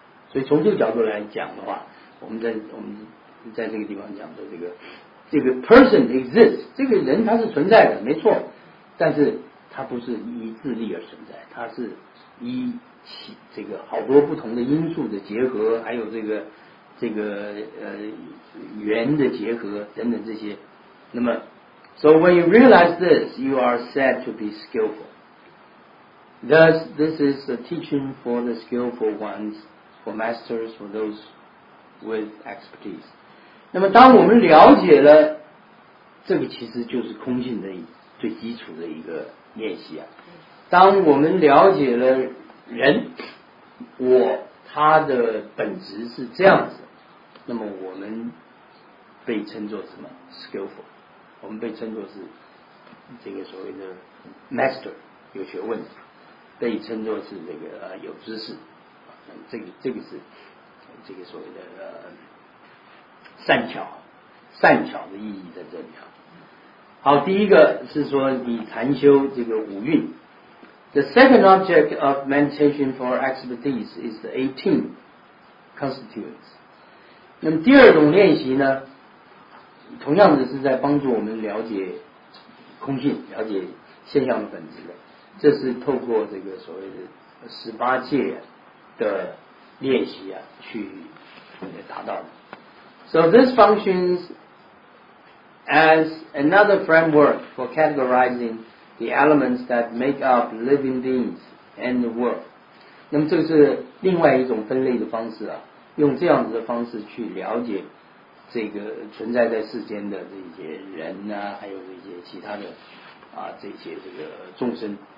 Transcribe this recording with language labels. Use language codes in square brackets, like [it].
[zh] 所以从这个角度来讲的话，我们在这个地方讲的这个 person exists， 这个人他是存在的，没错，但是他不是依自力而存在，他是依这个好多不同的因素的结合，还有这个缘的结合等等这些。那么 [en] So when you realize this, you are said to be skillful. Thus, this is a teaching for the skillful ones, for masters, for those with expertise. [zh] 那么当我们了解了，这个其实就是空性的最基础的一个练习啊。当我们了解了人，我，他的本质是这样子，那么我们被称作什么 ?skillful。我们被称作是这个所谓的 master， 有学问的，被称作是这个有知识，这个是这个所谓的善巧的意义在这里啊。好，第一个是说你禅修这个五蕴， [en] The second object of meditation for expertise is the 18 constituents. [zh] 那么第二种练习呢，同样的是在帮助我们了解空性，了解现象的本质的。这是透过这个所谓的十八戒的练习啊，去达到的。 [en] So this functions as another framework for categorizing the elements that make up living beings and the world. [zh] 那么这是另外一种分类的方式啊，用这样子的方式去了解这个存在在世间的这些人啊，还有这些其他的啊这些这个众生。